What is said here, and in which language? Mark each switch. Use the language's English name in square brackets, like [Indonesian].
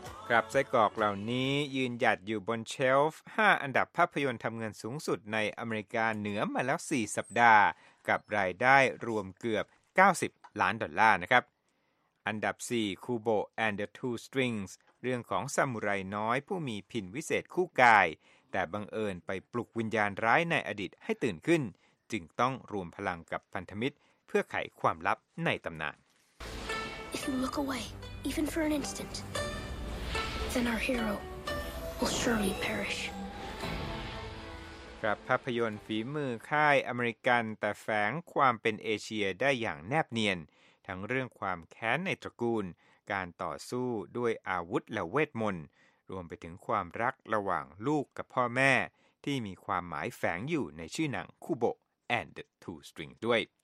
[Thai] ครับไส้กรอกเหล่านี้ยืนหยัดอยู่บนเชลฟ์5อันดับภาพยนตร์ทำเงินสูงสุดในอเมริกาเหนือมาแล้ว4สัปดาห์กับรายได้รวมเกือบ90ล้านดอลลาร์นะครับอันดับ4 Kubo and the Two Strings เรื่องของซามูไรน้อยผู้มีพินวิเศษคู่กายแต่บังเอิญไปปลุกวิญญาณร้ายในอดีตให้ตื่นขึ้นจึงต้องรวมพลังกับพันธมิตรเพื่อไขความลับในตำนาน [English] If you look away even for an instantThen our hero will surely perish. [Thai] ครับภาพยนตร์ฝีมือค่ายอเมริกันแต่แฝงความเป็นเอเชียได้อย่างแนบเนียนทั้งเรื่องความแค้นในตระกูลการต่อสู้ด้วยอาวุธและเวทมนต์รวมไปถึงความรักระหว่างลูกกับพ่อแม่ที่มีความหมายแฝงอยู่ในชื่อหนังคูโบ and the Two Strings ด้วย